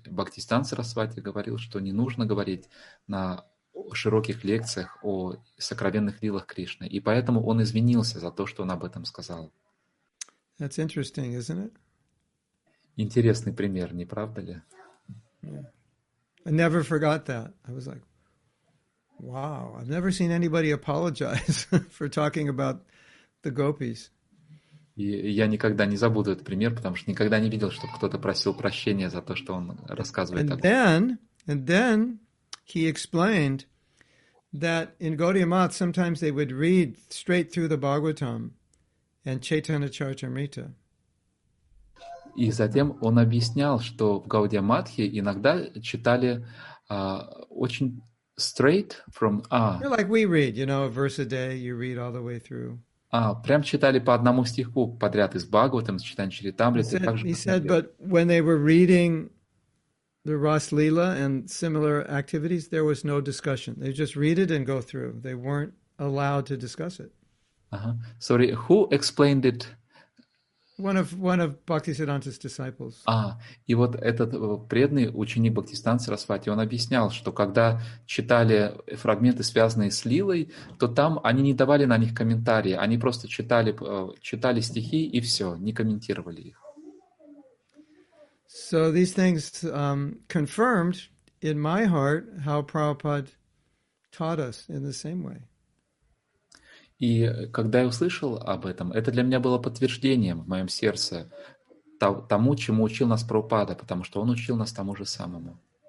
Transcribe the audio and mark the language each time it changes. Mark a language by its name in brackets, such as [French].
[Russian] Бхактисиддханта Сарасвати говорил, что не нужно говорить на широких лекциях о сокровенных лилах Кришны. И поэтому он извинился за то, что он об этом сказал. [English] That's interesting, isn't it? [Russian] Интересный пример, не правда ли? [English] Yeah. I never forgot that. I was like, wow, I've never seen anybody apologize for talking about the gopis. [Russian] И я никогда не забуду этот пример, потому что никогда не видел, чтобы кто-то просил прощения за то, что он рассказывает об этом. [English] And then he explained that in Gaudiya Math sometimes they would read straight through the Bhagavatam and Chaitanya Charitamrita. [Russian] И затем он объяснял, что в Гаудия Матхе иногда читали очень [English] straight from You're like we read, you know, a verse a day, you read all the way through. [Russian] Прям читали по одному стиху подряд из Бхагаватам, читаем Чаритамриту, так же. [English] He said, but when they were reading the Ras Lila and similar activities, there was no discussion. They just read it and go through. They weren't allowed to discuss it. Sorry, who explained it? One of Bhaktisiddhanta's disciples. [Russian] И вот этот преданный ученик Бхактисиддханты Сарасвати, он объяснял, что когда читали фрагменты, связанные с Лилой, то там они не давали на них комментарии, они просто читали стихи и все, не комментировали их. [English] So these things confirmed in my heart how Prabhupada taught us in the same way. [Russian] И когда я услышал об этом, это для меня было подтверждением в моем сердце тому, чему учил нас Прабхупада, потому что он учил нас тому же самому.